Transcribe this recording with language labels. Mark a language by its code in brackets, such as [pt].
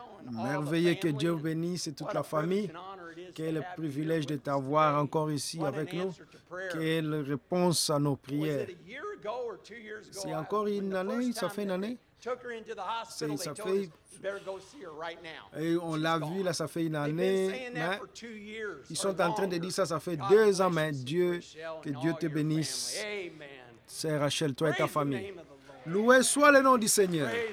[fr] Merveilleux, que Dieu vous bénisse toute la famille. Quel privilège de t'avoir encore ici avec nous. Quelle réponse à nos prières. C'est encore une année, ça fait une année. [en] Took her into the hospital. They told us, you better go see her right now. [fr] Et on l'a vu, là, ça fait une année. Mais ils sont en train de dire ça, ça fait deux ans, mais Dieu, que Dieu te bénisse. C'est Rachel, toi et ta famille. Loué soit le nom du Seigneur.